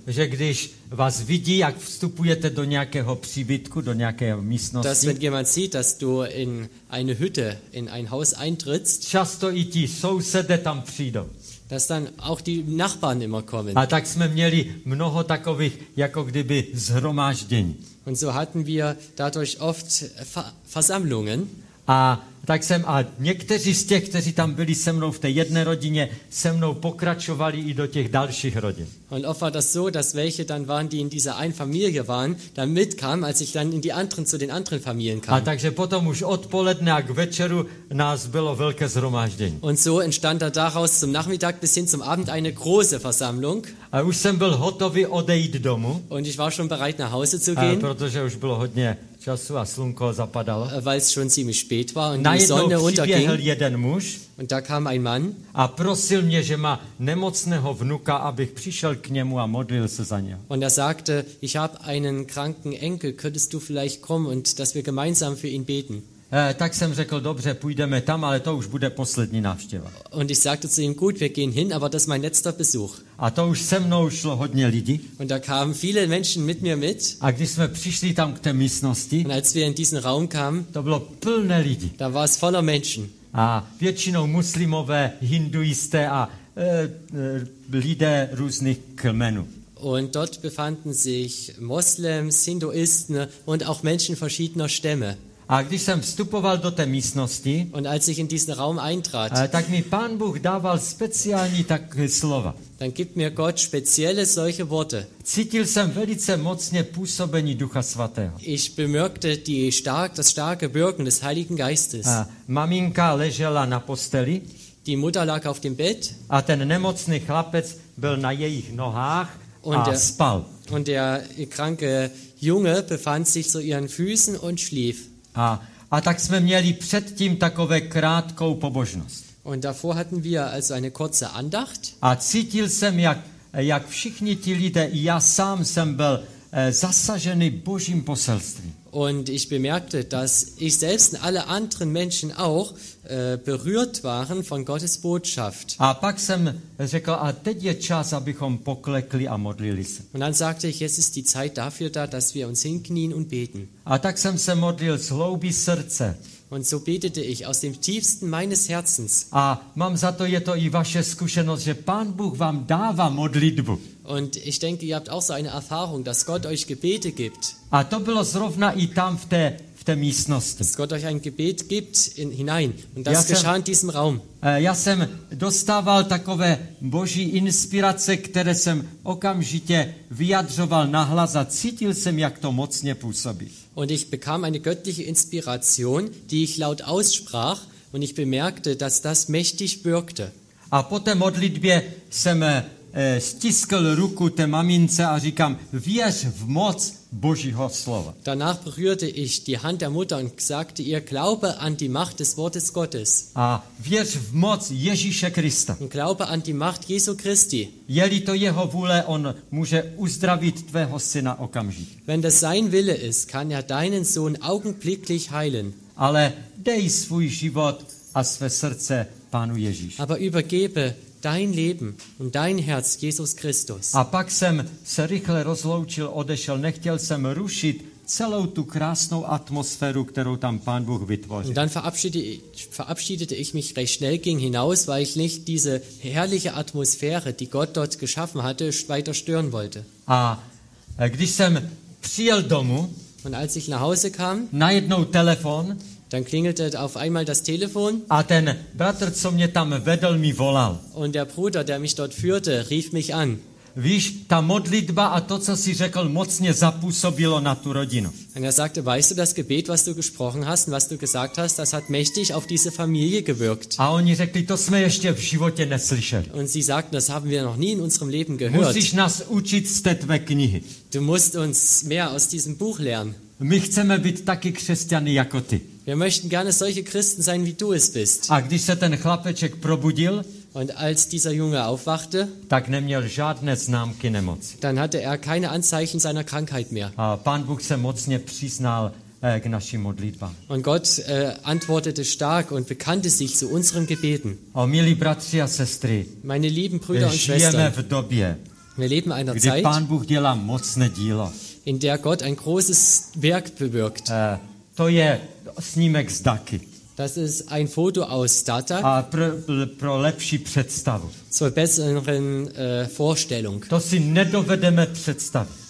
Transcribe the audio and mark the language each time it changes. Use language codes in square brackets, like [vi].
[cs] Že když vás vidí, jak vstupujete do nějakého příbytku, do nějaké místnosti. [de] Dass wenn jemand sieht, dass du in eine Hütte, in ein Haus eintrittst. [cs] Často i ti sousedé tam přijdou. [de] Dass dann auch die Nachbarn immer kommen. [cs] A tak jsme měli mnoho takových, jako kdyby zhromáždění. [de] Und so hatten wir dadurch oft Versammlungen. [cs] A tak jsem a někteří z těch, kteří tam byli se mnou v té jedné rodině, se mnou pokračovali i do těch dalších rodin. [de] Und oft war das so, dass welche dann waren, die in dieser einen Familie waren, dann mitkamen, als ich dann in die anderen zu den anderen Familien kam. [cs] A takže potom už odpoledne a k večeru nás bylo velké shromáždění. [de] Und so entstand daraus zum Nachmittag bis hin zum Abend eine große Versammlung. [cs] A už jsem byl hotový odejít domů. [de] Und ich war schon bereit nach Hause zu gehen. [cs] Protože už bylo hodně času a slunko zapadalo. [de] Weil es schon ziemlich spät war und die Sonne unterging. [cs] Najednou přiběhl jeden muž. [de] Und da kam ein Mann. [cs] A prosil mě, že má nemocného vnuka, abych přišel k němu a modlil se za něho. [de] Und er sagte, ich habe einen kranken Enkel, könntest du vielleicht kommen und dass wir gemeinsam für ihn beten. [cs] Tak jsem řekl, dobře, půjdeme tam, ale to už bude poslední návštěva. [de] Und ich sagte zu ihm, gut, wir gehen hin, aber das ist mein letzter Besuch. [cs] A to už se mnou šlo hodně lidí. [de] Und da kamen viele Menschen mit mir mit. [cs] A když jsme přišli tam k té místnosti, [de] und als wir in diesen Raum kamen, [cs] to bylo plné lidí. [de] Da war es voller Menschen. [cs] A většinou muslimové, hinduisté a lidé různých kmenů. [de] Und dort befanden sich Moslems, Hinduisten und auch Menschen verschiedener Stämme. [cs] A když jsem vstupoval do té místnosti, [de] und als ich in diesen Raum eintrat, [cs] tak mi Pán Bůh dával speciální takové slova. [de] Dann gibt mir Gott spezielle solche Worte. [cs] Cítil jsem velice mocně působení Ducha Svatého. [de] Ich bemerkte das starke Wirken des Heiligen Geistes. [cs] Maminka ležela na posteli. [de] Die Mutter lag auf dem Bett. [cs] A ten nemocný chlapec byl na jejich nohách a spal. [de] Und der kranke Junge befand sich zu ihren Füßen und schlief. [cs] A tak jsme měli předtím takové krátkou pobožnost. [de] Und davor hatten wir also eine kurze Andacht. [cs] A cítil jsem, jak všichni ti lidé, i já sám jsem byl zasažený Božím poselstvím. [de] Und ich bemerkte, dass ich selbst und alle anderen Menschen auch berührt waren von Gottes Botschaft. [cs] A pak jsem řekl, a teď je čas, abychom poklekli a modlili se. [de] Und dann sagte ich, jetzt ist die Zeit dafür da, dass wir uns hinknien und beten. [cs] A tak jsem se modlil z hloubi srdce. [de] Und so betete ich aus dem tiefsten meines Herzens. [cs] A mám za to, je to i vaše zkušenost, že Pán Bůh vám dává modlitbu. [de] Und ich denke, ihr habt auch so eine Erfahrung, dass Gott euch Gebete gibt. [cs] A to bylo zrovna i tam v té místnosti. [de] Dass Gott euch ein Gebet gibt hinein. Und das geschah in diesem Raum. [cs] Já jsem dostával takové boží inspirace, které jsem okamžitě vyjadřoval nahlas a cítil jsem, jak to mocně působí. [de] Und ich bekam eine göttliche Inspiration, die ich laut aussprach und ich bemerkte, dass das mächtig wirkte. [cs] A po té modlitbě jsem stiskl ruku té mamince a říkám, věř v moc Božího slova. [de] Danach berührte ich die Hand der Mutter und sagte ihr, glaube an die Macht des Wortes Gottes. [cs] A věř v moc Ježíše Krista. [de] Glaube an die Macht Jesu Christi. [cs] Je-li to jeho vůle, on může uzdravit tvého syna okamžitě. [de] Wenn das sein Wille ist, kann er deinen Sohn augenblicklich heilen. [cs] Ale dej svůj život a své srdce Pánu Ježíši. [de] Aber übergebe dein Leben und dein Herz Jesus Christus. [cs] A pak jsem se rychle rozloučil, odešel, nechtěl jsem rušit celou tu krásnou atmosféru, kterou tam Pán Bůh vytvořil. [de] Und dann verabschiedete ich mich recht schnell, ging hinaus, weil ich nicht diese herrliche Atmosphäre, die Gott dort geschaffen hatte, weiter stören wollte. [cs] A když jsem přijel domů, [de] und als ich nach Hause kam, [cs] najednou telefon, [de] dann klingelte auf einmal das Telefon. [cs] A ten bratr, co mě tam vedl, mi volal. [de] Und der Bruder, der mich dort führte, rief mich an. [cs] Víš, ta modlitba a to, co si řekl, mocně zapůsobilo na tu rodinu. [de] Und er sagte, weißt du, das Gebet, was du gesprochen hast und was du gesagt hast, das hat mächtig auf diese Familie gewirkt. [cs] A oni řekli, to jsme ještě v životě neslyšeli. [de] Und sie sagten, das haben wir noch nie in unserem Leben gehört. [cs] Musíš nás učit z té tvé knihy. [de] Du musst uns mehr aus diesem Buch lernen. [cs] My chceme být taky křesťany jako ty. [de] Wir möchten gerne solche Christen sein, wie du es bist. [cs] A když se ten chlapeček probudil, [de] und als dieser Junge aufwachte, [cs] tak neměl žádné známky nemoci. [de] Dann hatte er keine Anzeichen seiner Krankheit mehr. [cs] A Pán Bůh se mocně přiznal k našim modlitbám. [de] Und Gott antwortete stark und bekannte sich zu unseren Gebeten. [cs] O milí bratři a sestry, [de] meine lieben Brüder und Schwestern, [cs] žijeme v době, [de] wir leben einer [cs] kdy [de] Zeit, [cs] Pán Bůh dělá mocné dílo, [de] in der Gott ein großes Werk bewirkt. [cs] To je snímek z Daky. [de] Das ist ein Foto aus Data. [cs] A pro lepší představu. [de] Zur besseren Vorstellung. [cs] To si nedovedeme představit.